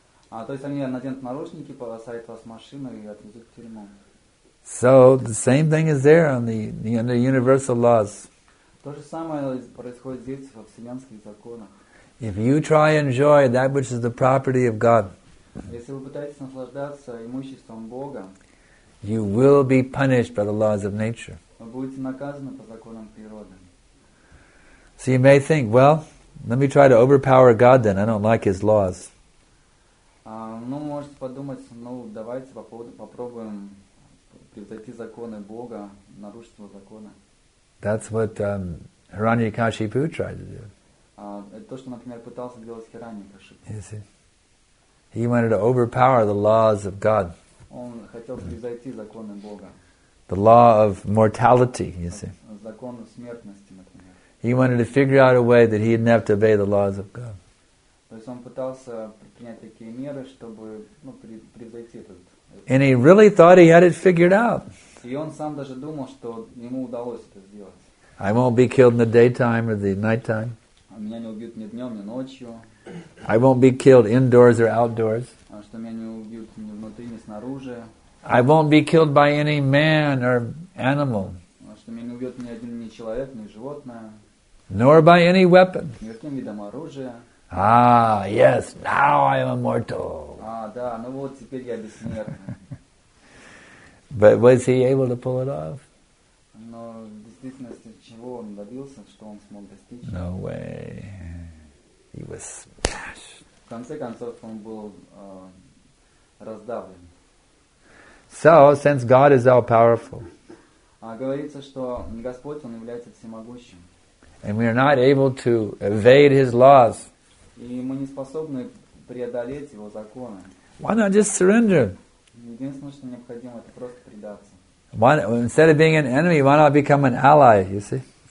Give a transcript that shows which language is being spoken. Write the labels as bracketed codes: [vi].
[ru] То есть они наденут наручники, посадят вас в машину и отвезут в тюрьму. [en] So the same thing is there on the under universal laws. [ru] То же самое происходит здесь во вселенских законах. [en] If you try and enjoy that which is the property of God. [ru] Если вы пытаетесь наслаждаться имуществом Бога. [en] You will be punished by the laws of nature. [ru] Вы будете наказаны по законам природы. [en] So you may think, well, let me try to overpower God then. I don't like his laws. [ru] Ну, можете подумать, ну, давайте попробуем превзойти законы Бога, нарушить его законы. [en] That's what Hiranyakashipu tried to do. [ru] Это то, что, например, пытался делать Хираньякашипу. [en] You see? He wanted to overpower the laws of God. [ru] Он хотел превзойти законы Бога. [en] The law of mortality, you see. [ru] Закон смертности, например. [en] He wanted to figure out a way that he didn't have to obey the laws of God. [ru] То есть он пытался принять такие меры, чтобы, ну, превзойти этот. [en] And he really thought he had it figured out. [ru] И он сам даже думал, что ему удалось это сделать. [en] I won't be killed in the daytime or the nighttime. [ru] Меня не убьют ни днем, ни ночью. [en] I won't be killed indoors or outdoors. [ru] Что меня не убьют ни внутри, ни снаружи. [en] I won't be killed by any man or animal. [ru] Что меня не убьют ни один, ни человек, ни животное. [en] Nor by any weapon. [ru] Ни каким видом оружия. [en] Ah, yes, now I am immortal. [ru] Да, ну вот теперь я бессмертный. [en] But was he able to pull it off? [ru] Но в действительности, чего он добился, что он смог достичь? [en] No way. He was smashed. [ru] В конце концов, он был раздавлен. [en] So, since God is all-powerful, [ru] говорится, что Господь, Он является всемогущим. [en] And we are not able to evade His laws. [ru] И мы не способны преодолеть Его законы. [en] Why not just surrender? [ru] Единственное, что необходимо, это просто предаться. [en] Why, instead of being an enemy, why not become an ally, you see?